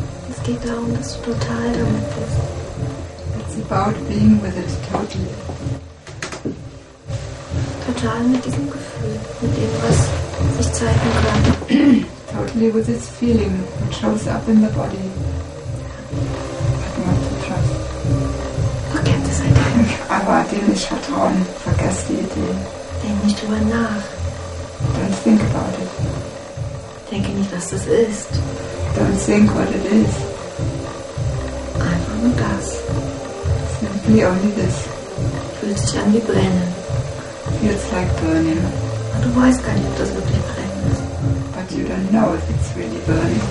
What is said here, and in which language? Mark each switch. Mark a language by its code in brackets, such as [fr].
[de] Es geht darum, dass du total damit bist. [en] It's about being with it totally. [de] Total mit diesem Gefühl, mit dem, was sich zeigen kann. [en] Totally with its feeling, it shows up in the body. Not to trust. Forget this idea. [de] Aber dem nicht vertrauen. Vergess die Idee. Denk nicht drüber nach. [en] Don't think about it. [de] Denke nicht, was das ist. [en] Don't think what it is. [de] Einfach nur das. [en] Simply only this. [de] Fühlt sich an wie brennen. [en] Feels like burning. [de] Aber du weißt gar nicht, ob das wirklich brennen ist. [en] But you don't know if it's really burning.